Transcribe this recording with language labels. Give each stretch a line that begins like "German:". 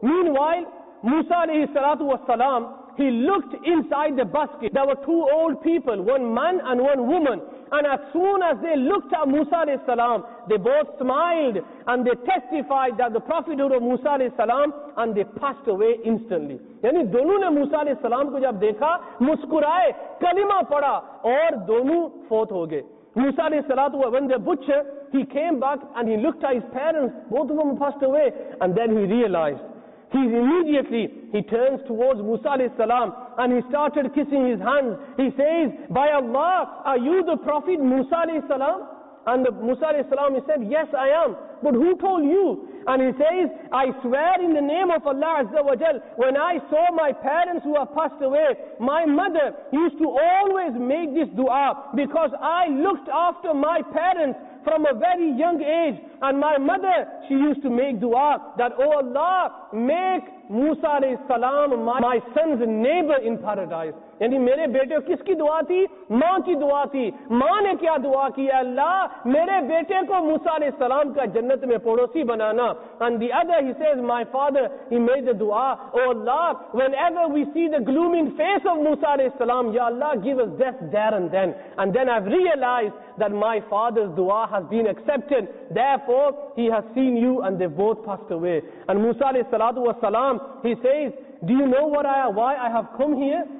English: Meanwhile, Musa alayhi salatu wasalam, he looked inside the basket. There were two old people, one man and one woman. And as soon as they looked at Musa alayhi salam, they both smiled and they testified that the prophethood of Musa alayhi salam, and they passed away instantly.
Urdu: یعنی دونو نے موسیٰ علیہ السلام کو جب دیکھا، مسکرائے، کلمہ پڑھا، اور دونو فوت ہو گئے۔
English: Musa alayhi salatu wasalam, when the butcher, he came back and he looked at his parents, both of them passed away, and then he realized. He immediately turns towards Musa alayhi salam and he started kissing his hands. He says, By Allah, are you the Prophet Musa alayhi salam? And Musa alayhi salam, he said, Yes, I am. But who told you? And he says, I swear in the name of Allah Azza wa Jal, when I saw my parents who have passed away, my mother used to always make this dua because I looked after my parents from a very young age. And my mother, she used to make dua that, Oh Allah, make Musa alayhi salam my son's neighbor in paradise.
Urdu: یعنی میرے بیٹے کو کس کی دعا تھی؟ ماں کی دعا تھی۔ ماں نے کیا دعا کی؟ اللہ، میرے بیٹے کو موسیٰ علیہ السلام کا جنت میں پڑوسی بنانا۔
English: And the other, he says, my father, he made the dua, Oh Allah, whenever we see the glooming face of Musa alayhi salam, Ya Allah, give us death there and then. And then I've realized that my father's dua has been accepted. Therefore, he has seen you and they both passed away. And Musa alayhi salatu wasalam, he says, Do you know why I have come here?